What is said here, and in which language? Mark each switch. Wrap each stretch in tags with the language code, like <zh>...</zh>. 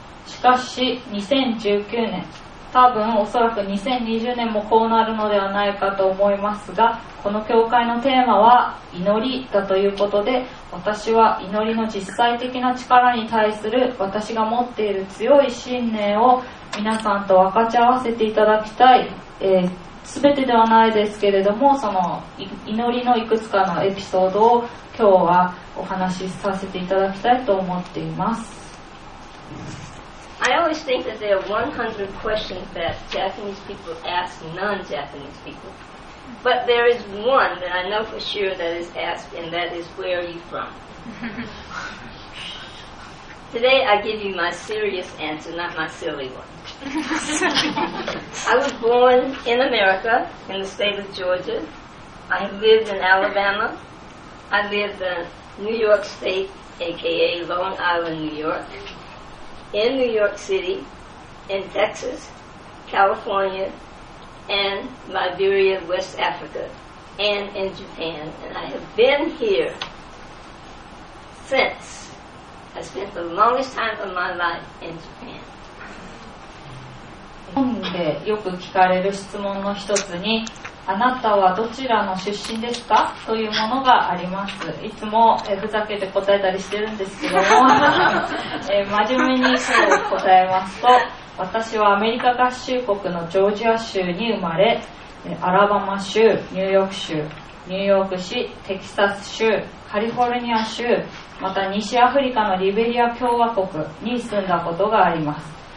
<ja>しかし2019年、多分おそらく2020年もこうなるのではないかと思いますが、この教会のテーマは祈りだということで、私は祈りの実際的な力に対する私が持っている強い信念を皆さんと分かち合わせていただきたい、全てではないですけれども、その祈りのいくつかのエピソードを今日はお話しさせていただきたいと思っています。</ja> <en>I always think that there are 100 questions that Japanese people ask non-Japanese people. But there is one that I know for sure that is asked, and that is, where are you from? Today I give you my serious answer, not my silly one. I was born in America, in the state of Georgia. I lived in Alabama. I lived in New York State, aka Long Island, New York. In New York City, in Texas, California, and Liberia, West Africa, and in Japan. And I have been here since. I spent the longest time of my life in Japan.</en> <ja>日本でよく聞かれる質問の一つに、あなたはどちらの出身ですかというものがあります。いつもふざけて答えたりしてるんですけども真面目にそう答えますと、私はアメリカ合衆国のジョージア州に生まれ、アラバマ州、ニューヨーク州、ニューヨーク市、テキサス州、カリフォルニア州、また西アフリカのリベリア共和国に住んだことがあります。</ja>